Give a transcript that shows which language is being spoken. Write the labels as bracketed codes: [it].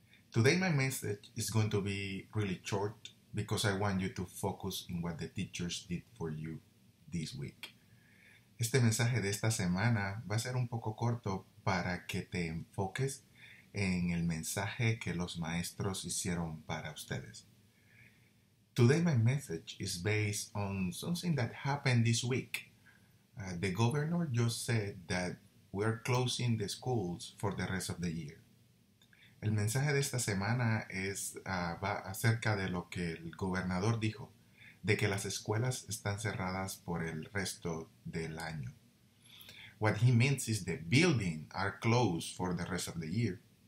[en] Today my message is going to be really short because I want you to focus in what the teachers did for you this week. [es] Este mensaje de esta semana va a ser un poco corto para que te enfoques en el mensaje que los maestros hicieron para ustedes. [en] Today my message is based on something that happened this week. The governor just said that we are closing the schools for the rest of the year. [es] El mensaje de esta semana es va acerca de lo que el gobernador dijo, de que las escuelas están cerradas por el resto del año. [en] What he means is the buildings are closed for the rest of the year.